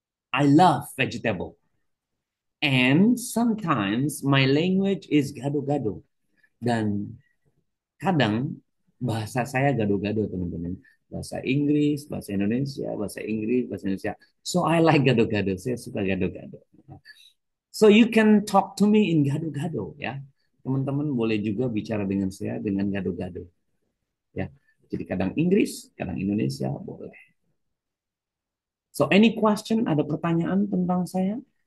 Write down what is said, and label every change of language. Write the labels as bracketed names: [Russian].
[English] I love vegetable. And sometimes my language is gado-gado. [Indonesian] Dan kadang bahasa saya gado-gado, teman-teman. Bahasa Inggris, bahasa Indonesia, bahasa Inggris, bahasa Indonesia. [English] So I like gado-gado. [Indonesian] Saya suka gado-gado. [English] So you can talk to me in gado-gado, ya. [Indonesian] Teman-teman boleh juga bicara dengan saya dengan gado-gado. Ya. Jadi kadang Inggris, kadang Indonesia, boleh. [English] So any question, [Indonesian] ada pertanyaan tentang saya?